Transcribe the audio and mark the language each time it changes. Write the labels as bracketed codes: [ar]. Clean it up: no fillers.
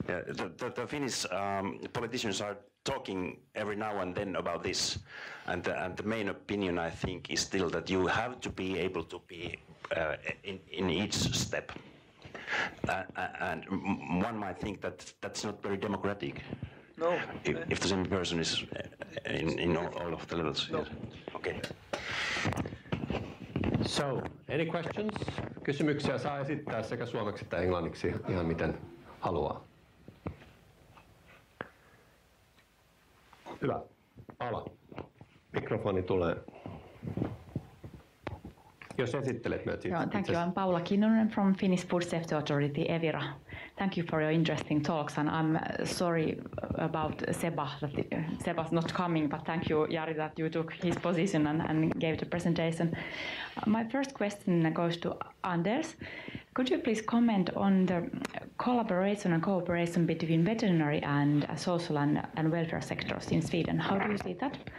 [en] Yeah, the Finnish politicians are talking every now and then about this, and the main opinion I think is still that you have to be able to be in each step, and one might think that that's not very democratic. No. If the same person is in all of the levels. No. Yes. Okay. So, any questions? [fi] Kysymyksiä saa esittää sekä suomeksi että englanniksi, ihan miten haluaa. Hyvä. Ala. Mikrofoni tulee. Jos esittelet myös itse. [en] Thank you. I'm Paula Kinnunen from Finnish Food Safety Authority, Evira. Thank you for your interesting talks, and I'm sorry about Seba, that Seba's not coming, but thank you, Jari, that you took his position and gave the presentation. My first question goes to Anders. Could you please comment on the collaboration and cooperation between veterinary and social and welfare sectors in Sweden? How do you see that?